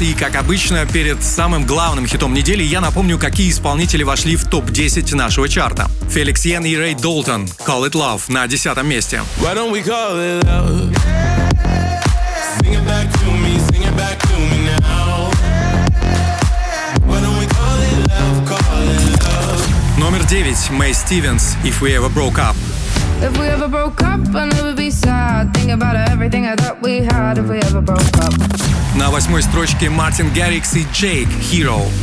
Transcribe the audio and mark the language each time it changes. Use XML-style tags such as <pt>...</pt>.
<ru>И, как обычно, перед самым главным хитом недели я напомню, какие исполнители вошли в топ-10 нашего чарта. Феликс Йен и Рэй Долтон, Call It Love, на 10-м месте.</ru> <en>Why don't we call it love? Yeah. Sing it back to me, sing it back to me now. Yeah. Why don't we call it love, call it love?</en> <ru>Номер 9,</ru> <en>Мэй Стивенс, If We Ever Broke Up. If we ever broke up, I'll never be sad. Think about everything I thought we had. If we ever broke up.</en> <ru>На восьмой строчке Мартин Гаррикс и Джейк, Hero.</ru>